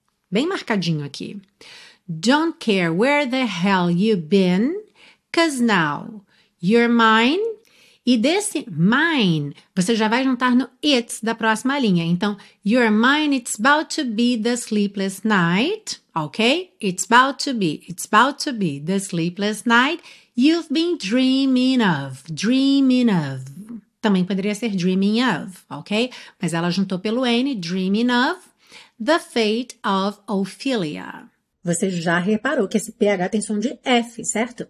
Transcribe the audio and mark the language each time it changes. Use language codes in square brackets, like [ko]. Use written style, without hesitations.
[pt] Bem marcadinho aqui. [en] Don't care where the hell you've been, 'cause now you're mine. [pt] E desse mine, você já vai juntar no it da próxima linha. [en] Então, you're mine, it's about to be the sleepless night. Ok? It's about to be the sleepless night you've been dreaming of. Dreaming of. [pt] Também poderia ser [en] dreaming of, [pt] ok? Mas ela juntou pelo N, dreaming of. [en] The fate of Ophelia. [pt] Você já reparou que esse PH tem som de F, certo?